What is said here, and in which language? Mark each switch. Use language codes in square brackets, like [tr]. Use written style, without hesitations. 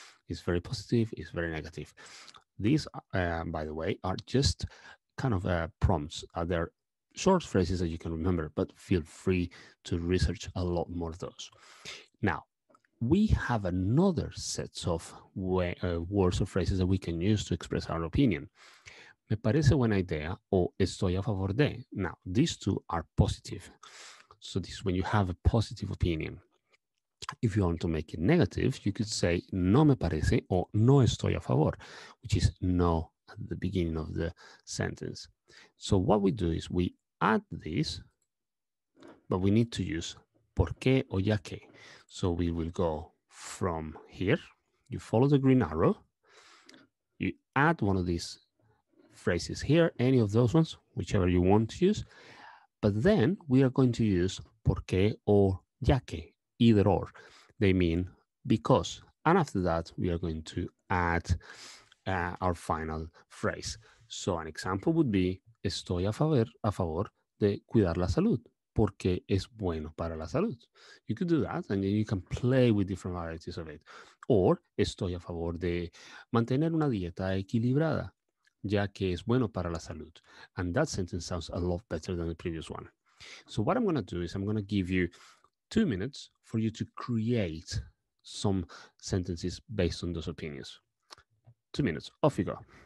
[en] It's very positive, it's very negative. These, by the way, are just kind of prompts. They're short phrases that you can remember, but feel free to research a lot more of those. Now, we have another set of words or phrases that we can use to express our opinion. [es] Me parece buena idea, o estoy a favor de. [en] Now, these two are positive. So this is when you have a positive opinion. If you want to make it negative, you could say [es] no me parece [en] or [es] no estoy a favor, [en] which is no at the beginning of the sentence. So what we do is we add this, but we need to use [es] por qué o ya que. [en] So we will go from here. You follow the green arrow. You add one of these phrases here, any of those ones, whichever you want to use. But then we are going to use [es] por qué [en] or [es] ya que, [en] either or. They mean because. And after that, we are going to add our final phrase. So an example would be, [es] estoy a favor de cuidar la salud, porque es bueno para la salud. [en] You could do that, and then you can play with different varieties of it. [es] Or, estoy a favor de mantener una dieta equilibrada, ya que es bueno para la salud. [en] And that sentence sounds a lot better than the previous one. So what I'm going to do is I'm going to give you 2 minutes for you to create some sentences based on those opinions. 2 minutes, off you go.